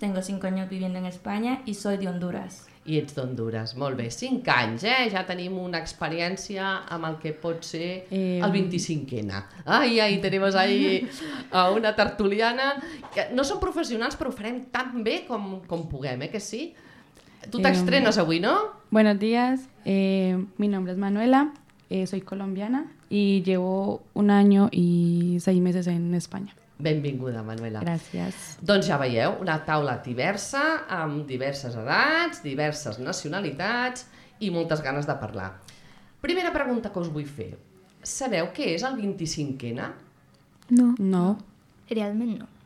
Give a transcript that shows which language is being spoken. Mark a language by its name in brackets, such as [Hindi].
[Spanish] Tengo 5 años viviendo en España y soy de Honduras. [Catalan] I ets d'Honduras, molt bé. 5 anys, ja tenim una experiència amb el que pot ser el 25N. Ai, tenim ahí una tertuliana. No som professionals, però ho farem tan bé com puguem, que sí? Tu t'estrenes avui, no? [Spanish] Buenos días, mi nombre es Manuela, soy colombiana y llevo un año y 6 meses en España. [Catalan] Benvinguda, Manuela. Gràcies. Doncs ja veieu, una taula diversa, amb diverses edats, diverses nacionalitats i moltes ganes de parlar. Primera pregunta que us vull fer. Sabeu què és el 25N? No. No. Realment no.